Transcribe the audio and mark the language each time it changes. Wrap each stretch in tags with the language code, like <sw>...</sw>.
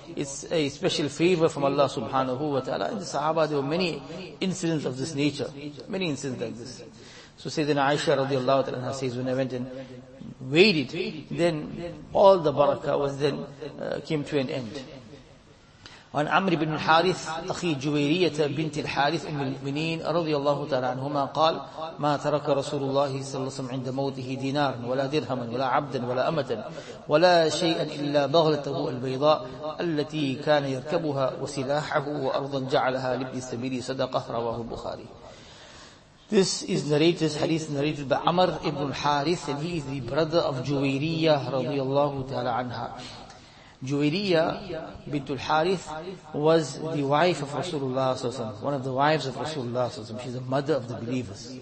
<en>It's a special favor from Allah subhanahu wa ta'ala. In the Sahaba, there were many incidents of this nature. Many incidents like this. So Sayyidina Aisha radiallahu anha says, when I went and weighed it, then all the barakah was then came to an end.</en> <ar>عن عمرو بن الحارث أخي جويرية بنت الحارث أم المؤمنين رضي الله تعالى عنهما قال ما ترك رسول الله صلى الله عليه وسلم عند موته دينار ولا درهما ولا عبدا ولا أمة ولا شيئا إلا بغلته البيضاء التي كان يركبها وسلاحه وأرضا جعلها لابن السبيل صدقة رواه البخاري.</ar> <en>This is narrated, hadith narrated by Amr ibn al-Harith, and he is the brother of Juwayriya</en> <ar>رضي الله تعالى عنها.</ar> <en>Juwayriya bint al-Harith was the wife of Rasulullah sallallahu alaihi wasallam, one of the wives of Rasulullah sallallahu alaihi wasallam. She's the mother of the believers.</en>